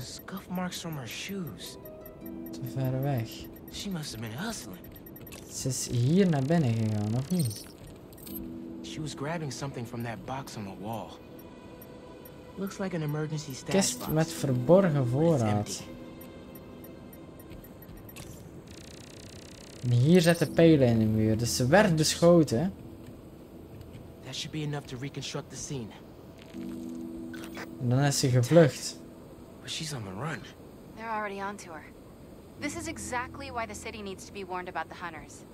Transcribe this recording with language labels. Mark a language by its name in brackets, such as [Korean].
[English] Scuff marks from her shoes. [Dutch] Te ver weg. [English] She must have been hustling. [Dutch] Ze is hier naar binnen gegaan, of niet? [English] She was grabbing something from that box on the wall. Looks like an emergency stash. [Dutch] Kist met verborgen voorraad. En hier zitten pijlen in de muur, dus ze werd beschoten. [English] That should be enough to reconstruct the scene. [Dutch] En dan is ze gevlucht. [English] But she's on the run. They're already on to her. This is exactly why the city needs to be warned about the hunters.